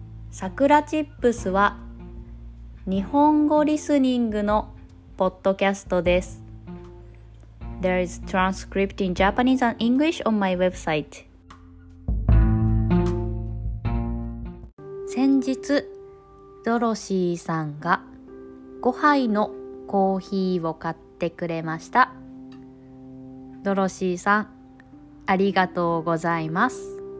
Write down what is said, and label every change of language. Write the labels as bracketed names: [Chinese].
[Japanese] さくらチップスは日本語リスニングのポッドキャストです。 [English] There is transcript in Japanese and English on my website。 [Japanese] 先日ドロシーさんが5杯のコーヒーを買ってくれました。ドロシーさん、ありがとうございます。